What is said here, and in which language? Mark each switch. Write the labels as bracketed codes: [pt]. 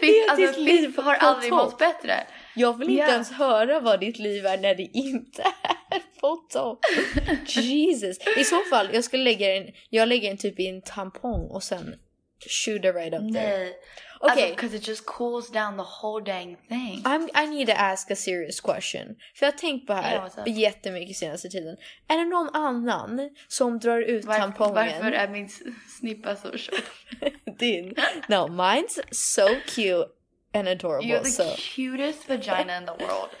[sv] Alltså, ditt liv har aldrig mått bättre. Jag vill inte ens höra vad ditt liv är när det inte är på topp. Jesus. I så fall, jag skulle lägga en, jag lägger en typ i en tampong och sen [en] shoot it right up there. Okay. Because it just cools down the whole dang thing. I need to ask a serious question. [sv] För jag har tänkt på här jättemycket senaste tiden. Är det någon annan som drar ut tampongen? Varför är min snippa så short? Din. [en] No, mine's so cute and adorable. You're the cutest vagina in the world.